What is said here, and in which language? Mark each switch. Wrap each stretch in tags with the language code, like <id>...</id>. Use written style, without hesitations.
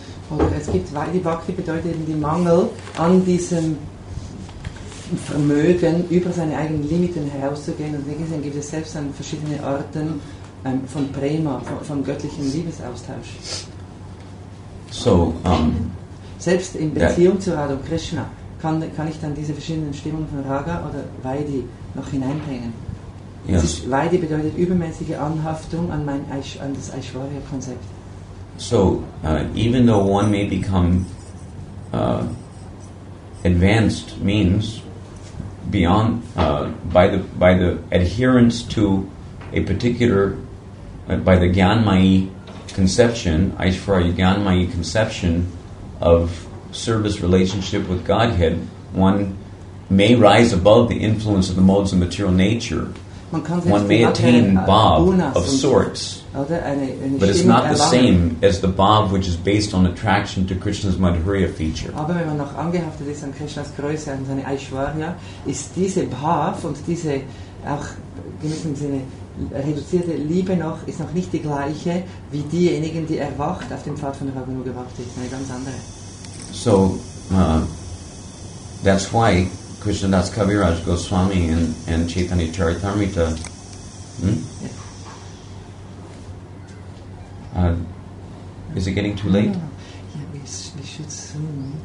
<de>Oder es gibt, weil die Bhakti bedeutet eben den Mangel an diesem Vermögen, über seine eigenen Limiten herauszugehen, und deswegen gibt es selbst an verschiedene Arten von Prema, von göttlichem Liebesaustausch.</de> <en>So,</en> <de>selbst in Beziehung zu Radha und Krishna kann ich dann diese verschiedenen Stimmungen von Raga oder Vaidhi noch hineinbringen.</de> <en>Yes.</en> <de>Vaidhi bedeutet übermäßige Anhaftung an mein an das Aishwarya-Konzept.</de> <en>So, even though one may become advanced, means beyond by the adherence to a particular by the Gyanmayi conception, Aishwarya Gyanmayi conception of service relationship with Godhead, one may rise above the influence of the modes of material nature. One may attain bhav of sorts, but it's not the same as the bhav which is based on attraction to Krishna's Madhurya feature.</en> <de>Aber wenn man noch angehaftet ist an Krishnas Größe und seine Aishwarya, ist diese bhav und diese auch gewissen Sinne reduzierte Liebe ist noch nicht die gleiche wie diejenigen, die erwacht auf dem Pfad von der Raganuga Bhakti. Eine ganz andere.</de> <en>So, That's why Krishnadas Kaviraj Goswami and Chaitanya Charitamrita is it getting too late? Yeah, we should soon.</en>